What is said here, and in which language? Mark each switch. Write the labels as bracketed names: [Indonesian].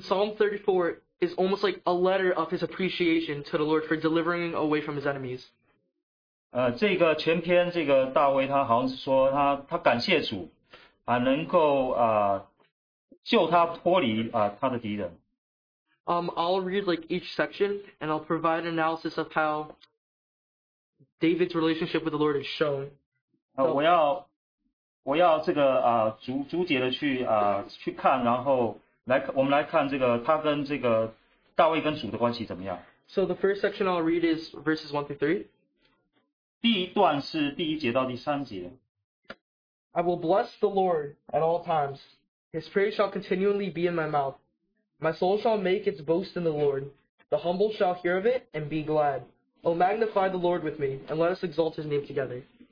[English] Psalm 34 is almost like a letter of his appreciation to the Lord for delivering away from his enemies. [Chinese] 这个全篇这个大卫他好像是说他感谢主，能够救他脱离他的敌人。 [English] I'll read like each section and I'll provide an analysis of how David's relationship with the Lord is shown. [Chinese] So, 我们来看这个他跟这个大卫跟主的关系怎么样。 [English] So the first section I'll read is verses 1-3. [Chinese] 第一段是第一节到第三节。 [English] I will bless the Lord at all times. His praise shall continually be in my mouth. My soul shall make its boast in the Lord. The humble shall hear of it and be glad. O magnify the Lord with me, and let us exalt his name together.